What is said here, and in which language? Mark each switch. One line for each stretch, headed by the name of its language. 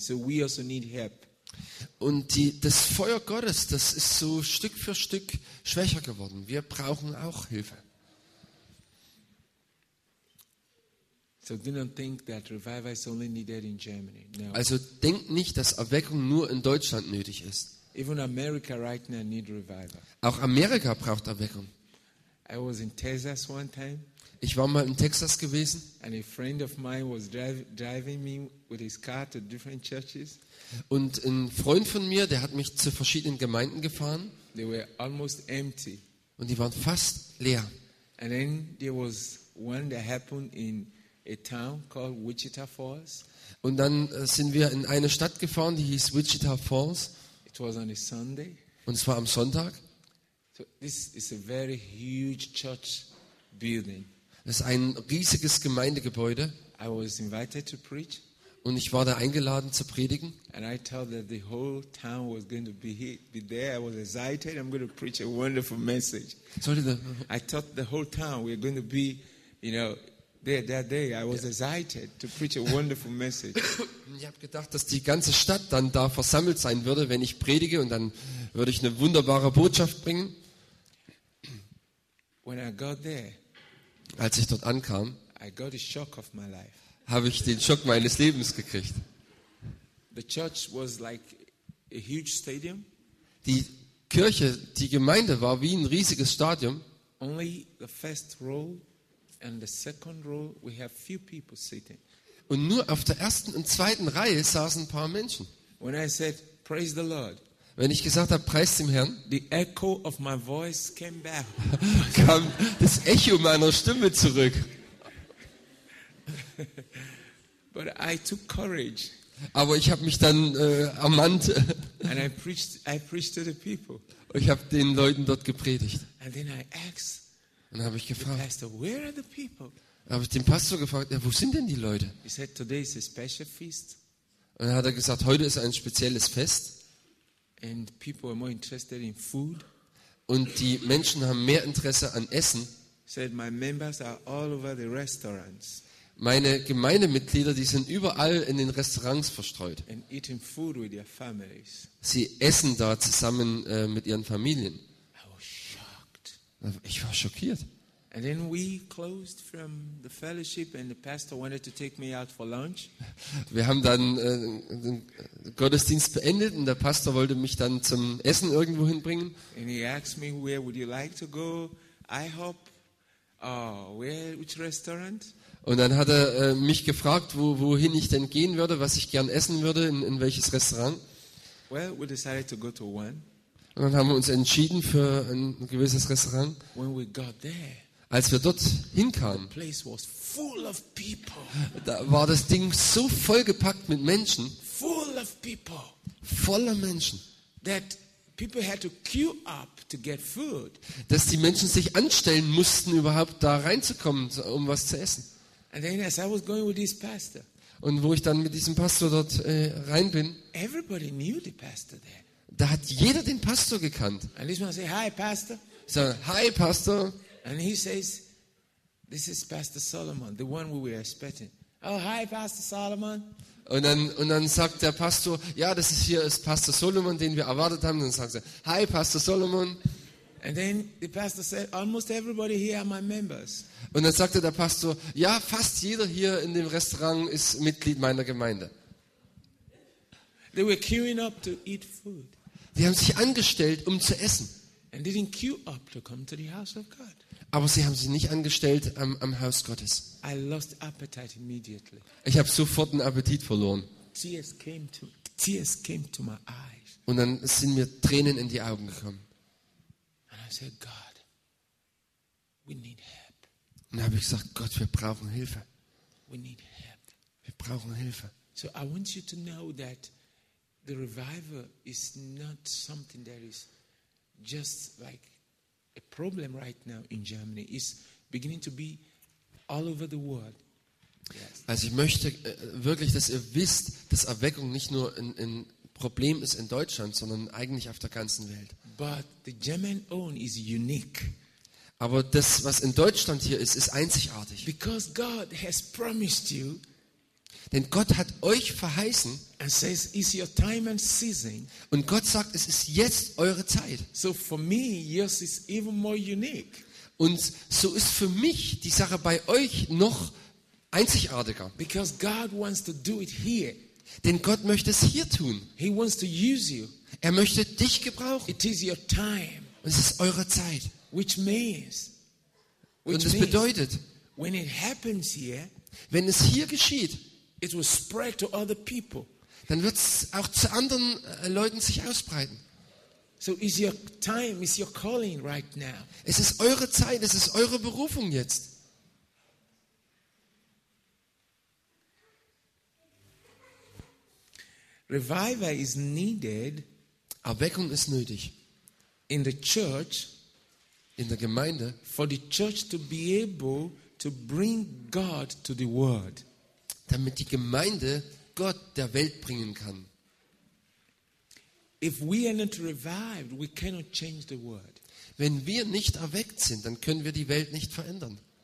English: So we also need help.
German: Und das Feuer Gottes, das ist so Stück für Stück schwächer geworden. Wir brauchen auch Hilfe.
English: So don't think that revival is only needed in Germany. No.
German: Also denk nicht, dass Erweckung nur in Deutschland nötig ist.
English: Even America right now need revival.
German: Auch Amerika braucht Erweckung.
English: I was in Texas one time.
German: Ich war mal in Texas gewesen.
English: And a friend of mine was driving me with his car to different churches.
German: Und ein Freund von mir, der hat mich zu verschiedenen Gemeinden gefahren.
English: They were almost empty.
German: Und die waren fast leer.
English: And then there was one that happened in a town called Wichita Falls.
German: Und dann sind wir in eine Stadt gefahren, die hieß Wichita Falls.
English: It was on a Sunday.
German: Und es war am Sonntag.
English: So this is a very huge church building.
German: Es ist ein riesiges Gemeindegebäude.
English: I was invited to preach.
German: Und ich war da eingeladen zu predigen.
English: And I told that the whole town was going to be there. I was excited. I'm going to preach a wonderful message. I thought the whole town we're going to be, you know, there that day. I was excited to preach a wonderful message.
German: Ich habe gedacht, dass die ganze Stadt dann da versammelt sein würde, wenn ich predige, und dann würde ich eine wunderbare Botschaft bringen.
English: When I got there,
German: als ich dort ankam,
English: I got a shock of my life.
German: Habe ich den Schock meines Lebens gekriegt.
English: The church was like a huge stadium.
German: Die Kirche, die Gemeinde war wie ein riesiges Stadion.
English: Only the first row and the second row we have few people sitting.
German: Und nur auf der ersten und zweiten Reihe saßen ein paar Menschen.
English: When I said praise the Lord.
German: Wenn ich gesagt habe preist dem Herrn,
English: the echo of my voice came back.
German: Kam das Echo meiner Stimme zurück.
English: But I took courage.
German: Aber ich habe mich dann ermannt.
English: And I preached to the people.
German: Und ich habe den Leuten dort gepredigt.
English: And then I asked.
German: Dann habe ich gefragt.
English: Pastor, where are the people?
German: Habe ich den Pastor gefragt, ja, wo sind denn die Leute?
English: He said, today is a special feast.
German: Und dann hat er gesagt, heute ist ein spezielles Fest.
English: And people are more interested in food.
German: Und die Menschen haben mehr Interesse an Essen.
English: Said my members are all over the restaurants.
German: Meine Gemeindemitglieder, die sind überall in den Restaurants verstreut.
English: And eating food with their families.
German: Sie essen da zusammen mit ihren Familien.
English: I was shocked.
German: Ich war schockiert.
English: And then we closed from the fellowship and the pastor wanted to take me out for lunch.
German: Wir haben dann den Gottesdienst beendet und der Pastor wollte mich dann zum Essen irgendwo hinbringen.
English: And he asked me, where would you like to go? IHOP? Which restaurant?
German: Und dann hat er mich gefragt, wohin ich denn gehen würde, was ich gern essen würde, in welches Restaurant.
English: Well, we decided to go to one.
German: Und dann haben wir uns entschieden für ein gewisses Restaurant.
English: When we got there,
German: als wir dort hinkamen,
English: the place was full of people.
German: Da war das Ding so vollgepackt mit Menschen,
English: full of people.
German: Voller Menschen,
English: that people had to queue up to get food.
German: Dass die Menschen sich anstellen mussten, überhaupt da reinzukommen, um was zu essen.
English: And then as I was going with this pastor,
German: und wo ich dann mit diesem Pastor dort rein bin,
English: everybody knew the pastor there.
German: Da hat jeder den Pastor gekannt.
English: And this man say, hi Pastor. So, hi Pastor. And he says, this is Pastor Solomon, the one we were expecting. Oh, hi Pastor Solomon.
German: Und dann sagt der Pastor, ja, das ist hier ist Pastor Solomon, den wir erwartet haben. Dann sagt er, hi Pastor Solomon.
English: And then the pastor said, almost everybody here are my members.
German: Und dann sagte der Pastor, ja, fast jeder hier in dem Restaurant ist Mitglied meiner Gemeinde.
English: They were queuing up to eat food.
German: Die haben sich angestellt, um zu essen.
English: And they didn't queue up to come to the house of God.
German: Aber sie haben sich nicht angestellt am Haus Gottes.
English: I lost appetite immediately.
German: Ich habe sofort den Appetit verloren.
English: Tears came to my eyes.
German: Und dann sind mir Tränen in die Augen gekommen.
English: And I said, God, we need help.
German: Und habe ich gesagt, Gott, wir brauchen Hilfe.
English: We need help.
German: Wir brauchen Hilfe.
English: So I want you to know that the revival is not something that is just like a problem right now in Germany. It's beginning to be all over the world. Yes.
German: Also ich möchte wirklich, dass ihr wisst, dass Erweckung nicht nur ein Problem ist in Deutschland, sondern eigentlich auf der ganzen Welt.
English: But the German own is unique.
German: Aber das, was in Deutschland hier ist, ist einzigartig.
English: Because God has promised you.
German: Denn Gott hat euch verheißen.
English: And says, it's your time and season.
German: Und Gott sagt, es ist jetzt eure Zeit.
English: So for me, yours is even more unique.
German: Und so ist für mich die Sache bei euch noch einzigartiger.
English: Because God wants to do it here.
German: Denn Gott möchte es hier tun.
English: He wants to use you.
German: Er möchte dich gebrauchen.
English: It is your time.
German: Und es ist eure Zeit.
English: Which means,
German: und es bedeutet,
English: when it happens here,
German: wenn es hier geschieht,
English: it will spread to other people.
German: Dann wird es auch zu anderen Leuten sich ausbreiten.
English: So is your time, is your calling right now.
German: Es ist eure Zeit, es ist eure Berufung jetzt.
English: Revival is needed.
German: Erweckung ist nötig.
English: In the church,
German: in der Gemeinde,
English: for the church to be able to bring God to the world.
German: Damit die Gemeinde Gott der Welt bringen kann.
English: If we are not revived, we cannot change the world.
German: Wenn wir nicht erweckt sind, dann können wir die Welt nicht verändern.